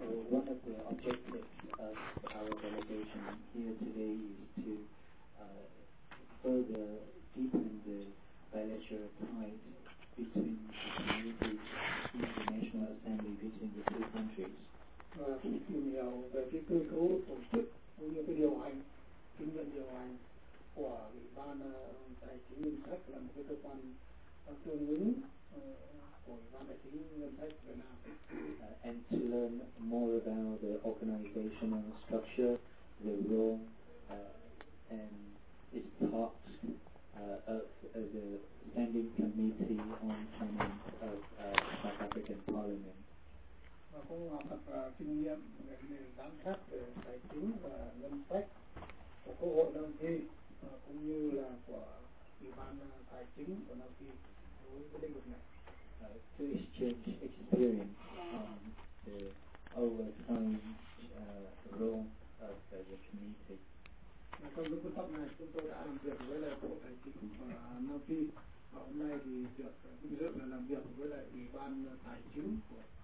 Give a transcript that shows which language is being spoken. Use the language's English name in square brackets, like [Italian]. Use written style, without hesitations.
[English] One of the objectives of our delegation here today is to further deepen the bilateral ties between the communities in the National Assembly between the two countries. [Vietnamese] Tìm hiểu về cái cơ cấu tổ chức cũng như cái điều hành, kinh nghiệm điều hành của Ủy ban Tài chính Ngân sách là một cái cơ quan tương ứng của Ủy ban Tài chính Ngân sách Việt Nam. [English] And to learn more about the organizational structure, the role and its tasks of the Standing Committee on Finance of South African Parliament. [Vietnamese] Và cũng học tập kinh nghiệm về giám sát về tài chính và ngân sách của Quốc hội Nam Phi cũng như là của Ủy ban Tài chính của Nam Phi đối với lĩnh vực này. [English] To exchange experience on the overcoming role of the committee. [Vietnamese] Và trong cái cuộc họp này chúng tôi đã làm việc với lại Bộ Tài chính của Nam Phi, và hôm nay thì được vinh dự là làm việc với lại Ủy ban Tài chính của